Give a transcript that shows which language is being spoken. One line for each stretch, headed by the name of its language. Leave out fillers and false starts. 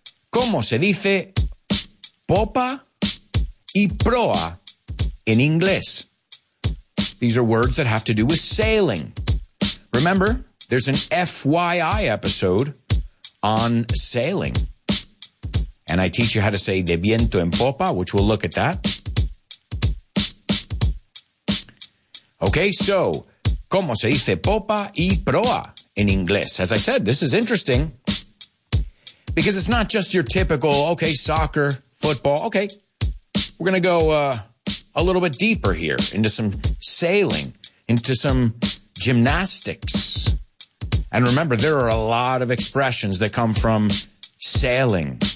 Spanish: ¿Cómo se dice popa y proa
English: in English? These are words that have to do with sailing. Remember, there's an FYI episode on sailing. And I teach you how to say
Spanish: de viento en popa,
English: which we'll look at that. Okay, so,
Spanish: ¿cómo se dice popa y proa
English: in English? As I said, this is interesting because it's not just your typical, okay, soccer, football. Okay, we're going to go a little bit deeper here into some sailing, into some gymnastics. And remember, there are a lot of expressions that come from sailing.